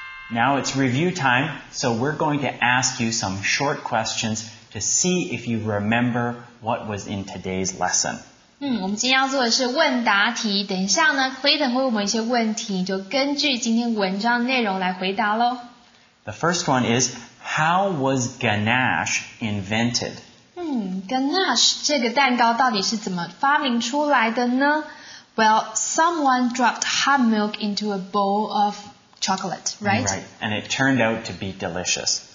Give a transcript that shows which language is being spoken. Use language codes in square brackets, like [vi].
[en] Now it's review time, so we're going to ask you some short questions to see if you remember what was in today's lesson. [zh] 我们今天要做的是问答题，等一下呢 ,Clayton 会问我们一些问题，就根据今天文章内容来回答咯。 [en] The first one is, how was ganache invented? [zh] Ganache, 这个蛋糕到底是怎么发明出来的呢？ [en] Well, someone dropped hot milk into a bowl of chocolate, right? Right, and it turned out to be delicious.